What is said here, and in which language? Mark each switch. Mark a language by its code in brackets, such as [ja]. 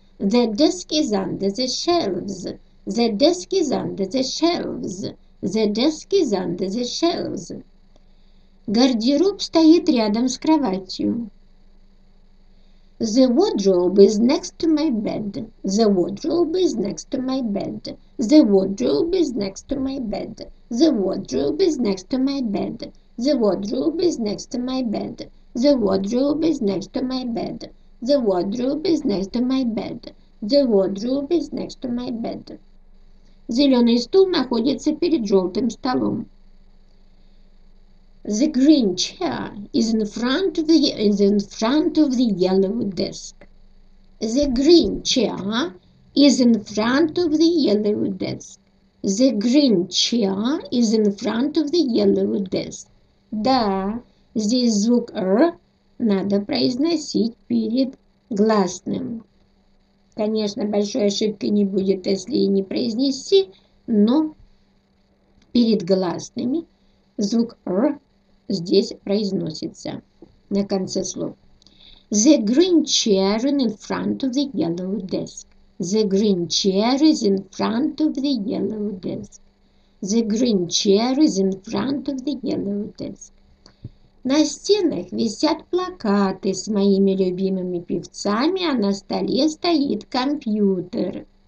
[en] The desk is under the shelves. The desk is under the shelves. The desk is under the shelves. [ru] Гардероб стоит рядом с кроватью. [en] The wardrobe is next to my bed. The wardrobe is next to my bed. The wardrobe is next to my bed. The wardrobe is next to my bed. The wardrobe is next to my bed. The wardrobe is next to my bed. The wardrobe is next to my bed. The wardrobe is next to my bed. [ru] Зеленый стул находится перед желтым столом. [en] The green chair is in front of the yellow desk. The green chair is in front of the yellow desk. The green chair is in front of the yellow desk. [ru] Да, здесь звук «р» надо произносить перед гласным. Конечно, большой ошибки не будет, если не произнести, но перед гласными звук «р» здесь произносится на конце слов. [en] The green chair in front of the yellow desk. The green chair is in front of the yellow desk. The green chair is in front of the yellow desk. [ru] На стенах висят плакаты с моими любимыми певцами, а на столе стоит компьютер.